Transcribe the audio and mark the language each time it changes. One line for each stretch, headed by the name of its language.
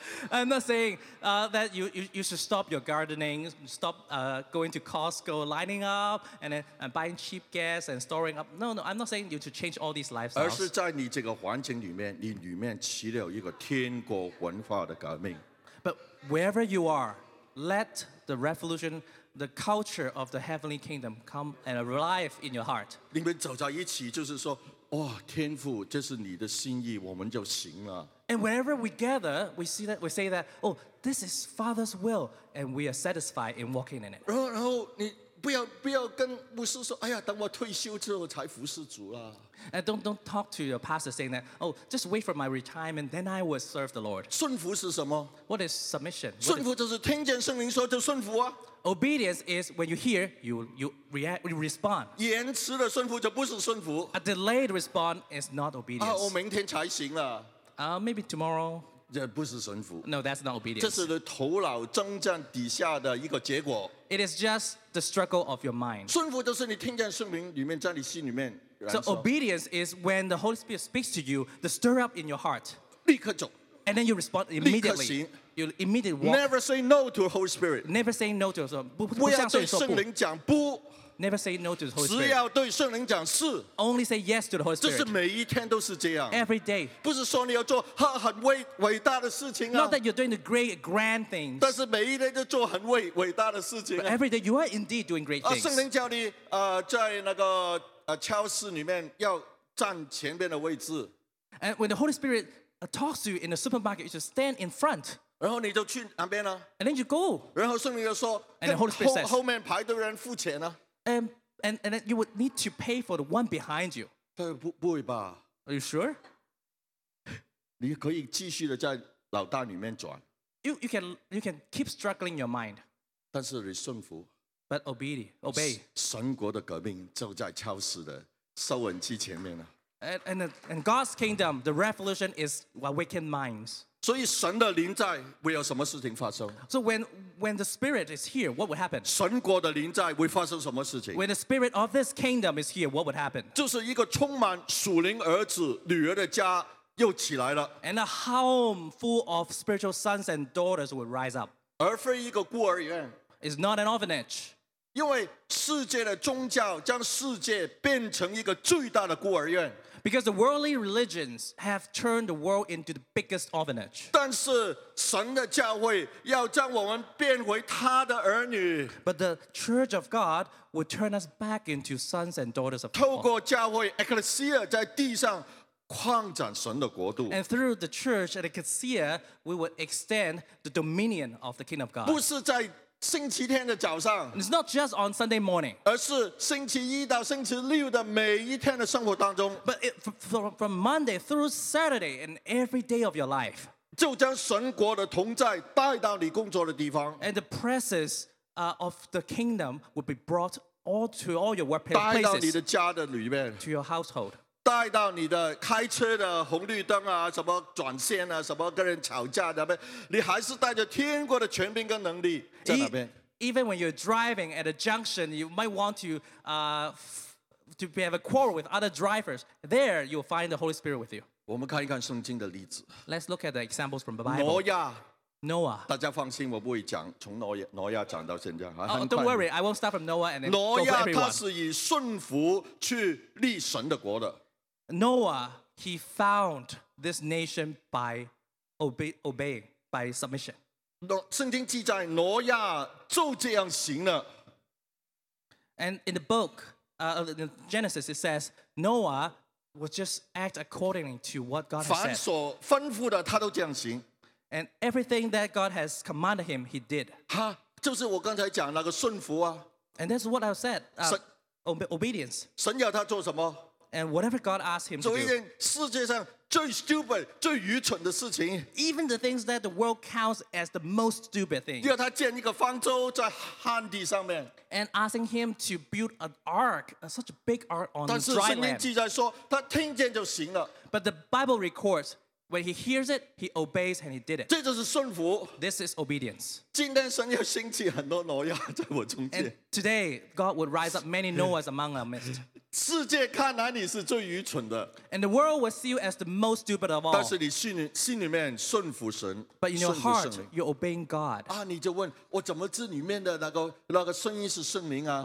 English: I'm not saying that you should stop your gardening, stop going to Costco, lining up, and then buying cheap gas and storing up. No, I'm not saying you to change all these lifestyles.
Chinese: 而是在你这个环境里面，你里面起了一个天国文化的革命。
English: But wherever you are, let the revolution, the culture of the heavenly kingdom come and arrive in your heart.
Chinese: 你们走在一起，就是说，哇，天父，这是你的心意，我们就行了。
English: And whenever we gather, we see that we say that, oh, this is Father's will, and we are satisfied in walking in it.
Chinese: 然后你不要跟牧师说，哎呀，等我退休之后才服侍主啦。
English: And don't talk to your pastor saying that, oh, just wait for my retirement, then I will serve the Lord.
Chinese: 顺服是什么？
English: What is submission?
Chinese: 顺服就是听见圣灵说就顺服啊。
English: Obedience is when you hear, you react, you respond.
Chinese: 延迟的顺服就不是顺服。
English: A delayed response is not obedience.
Chinese: 啊，我明天才行啦。
English: Maybe tomorrow.
Chinese: 这不是顺服。
English: No, that's not obedience.
Chinese: 这是头脑征战底下的一个结果。
English: It is just the struggle of your mind.
Chinese: 顺服就是你听见圣灵里面在你心里面。
English: So obedience is when the Holy Spirit speaks to you, the stir up in your heart.
Chinese: 立刻走。
English: And then you respond immediately.
Chinese: 立刻行。
English: You immediately walk. Never say no to the Holy Spirit. Never say no to the Holy Spirit.
Chinese: 不要对圣灵讲不。
English: Never say no to the Holy Spirit.
Chinese: 只要对圣灵讲是。
English: Only say yes to the Holy Spirit.
Chinese: 这是每一天都是这样。
English: Every day.
Chinese: 不是说你要做很伟大的事情啊。
English: Not that you're doing the great grand things.
Chinese: 但是每一天都做很伟大的事情啊。
English: But every day you are indeed doing great things.
Chinese: 圣灵叫你在那个超市里面要站前面的位置。
English: And when the Holy Spirit talks to you in the supermarket, you should stand in front.
Chinese: 然后你就去那边啊。
English: And then you go.
Chinese: 然后圣灵就说。
English: And the Holy Spirit says.
Chinese: 后面排队人付钱啊。
English: And then you would need to pay for the one behind you.
Chinese: 对，不会吧。
English: Are you sure?
Chinese: 你可以继续的在脑袋里面转。
English: You can keep struggling your mind.
Chinese: 但是你顺服。
English: But obey.
Chinese: 神国的革命就在超市的收银机前面啊。
English: And God's kingdom, the revolution is awakened minds.
Chinese: 所以神的灵在会有什么事情发生
English: ？So when the Spirit is here, what would happen?
Chinese: 神国的灵在会发生什么事情
English: ？When the Spirit of this kingdom is here, what would happen?
Chinese: 就是一个充满属灵儿子女儿的家又起来了。
English: And a home full of spiritual sons and daughters will rise up.
Chinese: 而非一个孤儿院。
English: It's not an orphanage.
Chinese: 因为世界的宗教将世界变成一个最大的孤儿院。
English: Because the worldly religions have turned the world into the biggest orphanage.
Chinese: 但是神的教会要将我们变回他的儿女。
English: But the church of God will turn us back into sons and daughters of God.
Chinese: 透过教会 ,Ecclesia 在地上扩展神的国度。
English: And through the church at Ecclesia, we will extend the dominion of the King of God.
Chinese: 不是在星期天的早上。
English: It's not just on Sunday morning.
Chinese: 而是星期一到星期六的每一天的生活当中。
English: But from Monday through Saturday and every day of your life.
Chinese: 就将神国的同在带到你工作的地方。
English: And the presence of the kingdom would be brought all to all your workplaces.
Chinese: 带到你的家的里面。
English: To your household.
Chinese: 带到你的开车的红绿灯啊，什么转线啊，什么跟人吵架的，你还是带着天国的权柄跟能力在那边。
English: Even when you're driving at a junction, you might want to have a quarrel with other drivers. There, you'll find the Holy Spirit with you.
Chinese: 我们看一看圣经的例子。
English: Let's look at the examples from the Bible.
Chinese: 挪亚。
English: Noah.
Chinese: 大家放心，我不会讲从挪亚讲到现在。
English: Oh, don't worry, I won't start from Noah and then go for everyone.
Chinese: 挪亚他是以顺服去立神的国的。
English: Noah, he found this nation by obeying, by submission.
Chinese: 圣经记载挪亚就这样行了。
English: And in the book, in Genesis, it says, Noah would just act according to what God has said.
Chinese: 凡所吩咐的他都这样行。
English: And everything that God has commanded him, he did.
Chinese: 哈，就是我刚才讲那个顺服啊。
English: And that's what I said, obedience.
Chinese: 神要他做什么？
English: And whatever God asked him to do.
Chinese: 做一件世界上最
English: stupid,
Chinese: 最愚蠢的事情。
English: Even the things that the world counts as the most stupid thing.
Chinese: 要他建一个方舟在旱地上面。
English: And asking him to build an ark, such a big ark on dry land.
Chinese: 但是圣经记载说，他听见就行了。
English: But the Bible records, when he hears it, he obeys and he did it.
Chinese: 这就是顺服。
English: This is obedience.
Chinese: 今天神要兴起很多挪亚在我中间。
English: And today, God would rise up many Noahs among our midst.
Chinese: 世界看来你是最愚蠢的。
English: And the world will see you as the most stupid of all.
Chinese: 但是你心里面顺服神。
English: But in your heart, you're obeying God.
Chinese: 啊，你就问我怎么知里面的那个声音是圣灵啊？